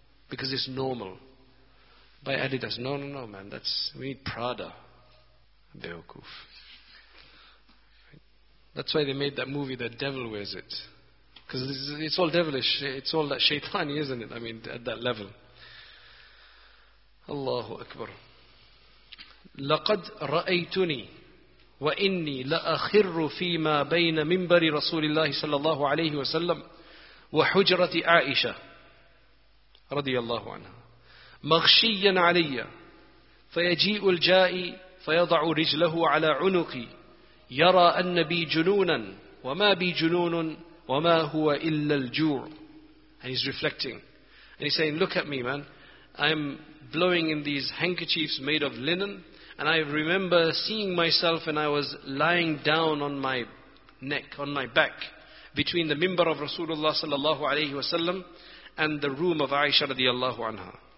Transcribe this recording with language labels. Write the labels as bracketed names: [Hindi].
[English] Because it's normal. By Adidas. No, no, no, man. We need Prada. Beokuf. That's why they made that movie, The Devil Wears It. Because it's all devilish. It's all that shaitani, isn't it? I mean, at that level. Allahu Akbar. [Arabic] لَقَدْ رَأَيْتُنِي وَإِنِّي لَأَخِرُّ فِي مَا بَيْنَ مِنْبَرِ رَسُولِ اللَّهِ صَلَى اللَّهُ عَلَيْهِ وَسَلَّمَ وَحُجْرَةِ عَائِشَةَ رضي الله عنها مَغْشِيًّا عَلَيَّ فَيَجِيءُ الْجَائِ فَيَضَعُ رِجْلَهُ عَلَى عُنُقِي يرى أن بي جنونا وما بي جنون وما هو إلا الجور. [English] And he's reflecting. And he's saying, look at me, man. I'm blowing in these handkerchiefs made of linen. And I remember seeing myself and I was lying down on my neck, on my back, between the minbar of Rasulullah sallallahu alayhi wa sallam and the room of Aisha radiallahu anha.